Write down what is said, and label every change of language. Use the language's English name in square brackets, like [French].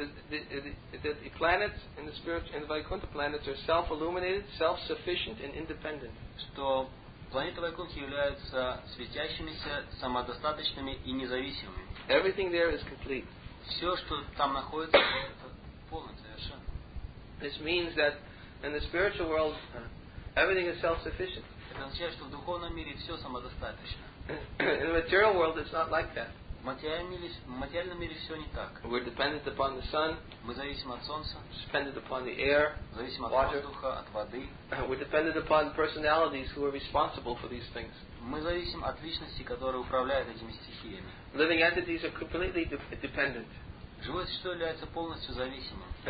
[English] That the planets in the spiritual, in the Vaikuntha planets are self-illuminated, self-sufficient and independent. [Russian] Что планеты Вайкунтхи являются светящимися, самодостаточными и независимыми. [English] Everything there is complete. [Russian] Все, что там находится, это полное, совершенно. [English] This means that in the spiritual world, everything is self-sufficient. [Russian] Это означает, что в духовном мире все самодостаточно. [English] In the material world, it's not like that. [Russian] В материальном мире все не так. [English] We're dependent upon the sun. [Russian] Мы зависим от солнца. [English] Dependent upon the air. [Russian] Зависим от воздуха, от воды. [English] We're dependent upon personalities who are responsible for these things. [Russian] Мы зависим от личностей, которые управляют этими стихиями. [English] Living entities are completely dependent. [Russian] Живое существо является полностью зависимым.